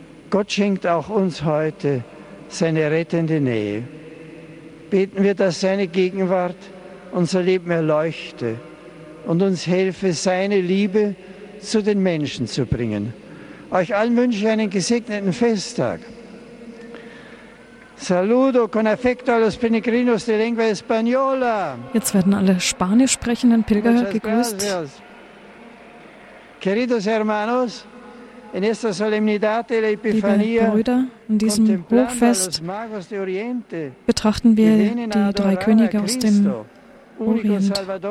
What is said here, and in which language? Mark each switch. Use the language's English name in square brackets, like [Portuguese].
[German] Gott schenkt auch uns heute seine rettende Nähe. Beten wir, dass seine Gegenwart unser Leben erleuchte und uns helfe, seine Liebe zu den Menschen zu bringen. Euch allen wünsche ich einen gesegneten Festtag. [Spanish] Saludo con affecto a los peregrinos de lengua española. [German] Jetzt werden alle spanisch sprechenden Pilger gegrüßt. [Spanish] Queridos hermanos, en esta solemnidad de la Epifanía, [German] liebe Brüder, in diesem Hochfest betrachten wir die drei Könige aus dem Orient.